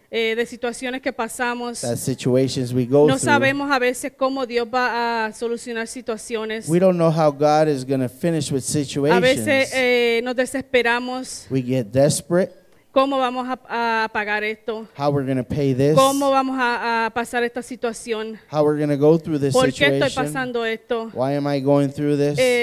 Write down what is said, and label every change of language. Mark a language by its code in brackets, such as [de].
[es] De situaciones que pasamos. [en] That situations we go [es] no [en] through. [es] Sabemos a veces cómo Dios va a solucionar situaciones. [en] We don't know how God is going to finish with situations. [es] A veces nos desesperamos. [en] We get desperate. [es] ¿Cómo vamos a pagar esto? [en] How we're going to pay this? [es] ¿Cómo vamos a pasar esta situación? [en] How we're going to go through this situation? [es] ¿Por qué estoy pasando esto? [en] Why am I going through this?